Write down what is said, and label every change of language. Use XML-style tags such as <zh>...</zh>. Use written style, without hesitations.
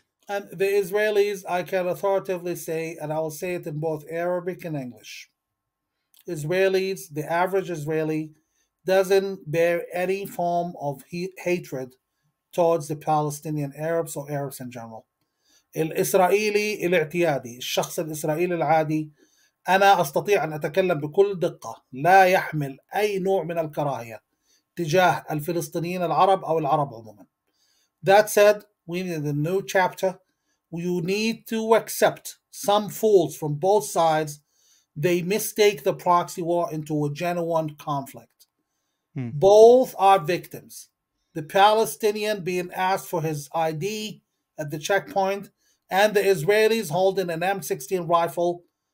<en>And the Israelis, I can authoritatively say, and I will say it in both Arabic and English, Israelis, the average Israeli, doesn't bear any form of hatred towards the Palestinian Arabs or Arabs in general.</en> <ar>الإسرائيلي الاعتيادي الشخص الإسرائيلي العادي أنا أستطيع أن أتكلم بكل دقة لا يحمل أي نوع من الكراهية تجاه الفلسطينيين العرب أو العرب عموما.</ar> <en>That said, we need a new chapter. You need to accept some fools from both sides. They mistake the proxy war into a genuine conflict. Both are victims. The Palestinian being asked for his ID at the checkpoint, and the Israelis holding an M16 rifle.</en>